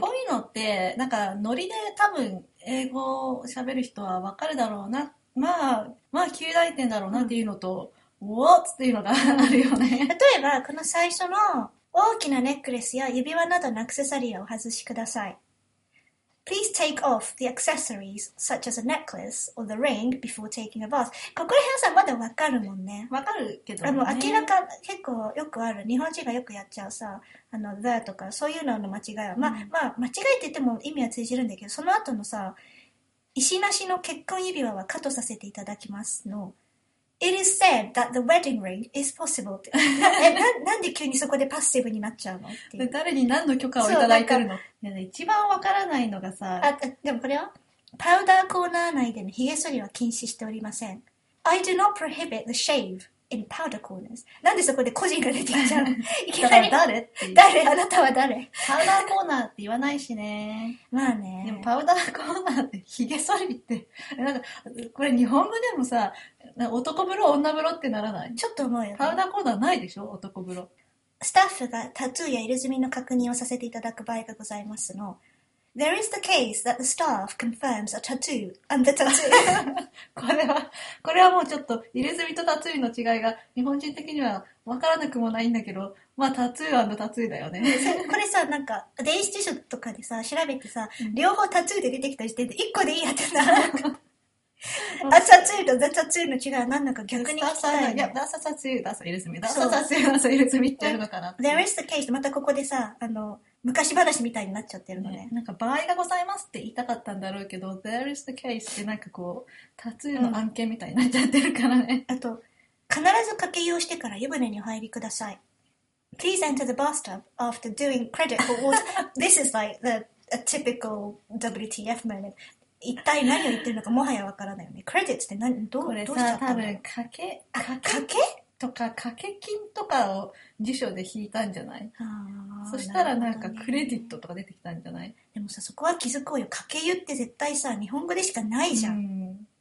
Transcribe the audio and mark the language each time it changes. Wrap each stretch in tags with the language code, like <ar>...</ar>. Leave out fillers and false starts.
<ja>こういうのって、なんか、ノリで多分、英語を喋る人はわかるだろうな。まあ、旧大点だろうなっていうのと、</ja> <en>What?</en> <ja>っていうのがあるよね。例えば、この最初の、大きなネックレスや指輪などのアクセサリーをお外しください。</ja> <en>Please take off the accessories such as a necklace or the ring before taking a bath.</en> <ja>ここら辺さ、まだわかるもんね。わかるけどね。明らか、結構よくある。日本人がよくやっちゃうさ、the とか、そういうのの間違いは。まあ、間違いって言っても意味は通じるんだけど、その後のさ、石なしの結婚指輪はカットさせていただきますの。</ja> <en>It is said that the wedding ring is possible.</en> <ja>なんで急にそこでパッシブになっちゃうのっていう。誰に何の許可をいただいてるの。いや、ね、一番わからないのがさ。でもこれはパウダーコーナー内でのヒゲ剃りは禁止しておりません。</ja> <en>I do not prohibit the shave in powder corners.</en> <ja>なんでそこで個人が出てきちゃうの。いきなり誰って。 誰、あなたは誰。パウダーコーナーって言わないしね。まあね。でもパウダーコーナーってヒゲ剃りって。なんか、これ日本語でもさ、男風呂、女風呂ってならない。ちょっと思うよ、ね。パウダーコーナーないでしょ、男風呂。スタッフがタトゥーや入れ墨の確認をさせていただく場合がございますの。</ja> <en>There is the case that the staff confirms a tattoo and the tattoo.</en> <ja>これはもうちょっと入れ墨とタトゥーの違いが日本人的にはわからなくもないんだけど、まあタトゥー&タトゥーだよね。これさ、なんか、電子辞書とかでさ、調べてさ、両方タトゥーで出てきた時点で1個でいいやってな。アサツーとザタツーの違いは何なのか逆に聞きたいね。ダサタツーダサイルスミダサタツーダサイルスミってあるのかな。</ja> <en>There is the case、</en> <ja>またここでさ、昔話みたいになっちゃってるの ね。なんか場合がございますって言いたかったんだろうけど、</ja> <en>There is the case</en> <ja>ってなんかこうタツーの案件みたいになっちゃってるからね、あと必ず掛け湯をしてから湯船に入りください。</ja> <en>Please enter the bathtub after doing credit for water. This is like a typical WTF moment。</en> <ja>一体何を言ってるのかもはやわからないよね。クレジットって何、どうしちゃったの。多分かけとか掛け金とかを辞書で引いたんじゃない。あ、そしたらなんかクレジットとか出てきたんじゃない。なね、でもさ、そこは気づこうよ。掛け湯って絶対さ、日本語でしかないじゃ ん、</ja>